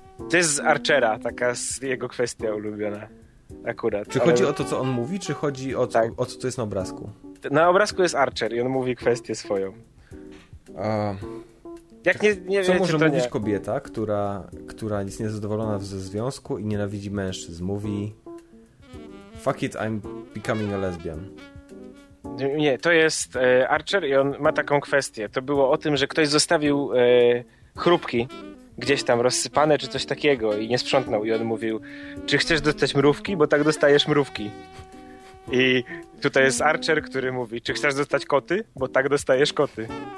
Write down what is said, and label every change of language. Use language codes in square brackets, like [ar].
[pl] To jest z Archera, taka jego kwestia ulubiona akurat. Czy chodzi o to, co on mówi, czy chodzi o to, o co to jest na obrazku? Na obrazku jest Archer i on mówi kwestię swoją. Jak nie co wiecie, może to mówić nie. Kobieta, która jest niezadowolona ze związku i nienawidzi mężczyzn? Mówi [en] fuck it, I'm becoming a lesbian. [pl] Nie, to jest Archer i on ma taką kwestię. To było o tym, że ktoś zostawił chrupki gdzieś tam rozsypane czy coś takiego i nie sprzątnął. I on mówił, czy chcesz dostać mrówki, bo tak dostajesz mrówki. I tutaj jest Archer, który mówi, czy chcesz dostać koty, bo tak dostajesz koty.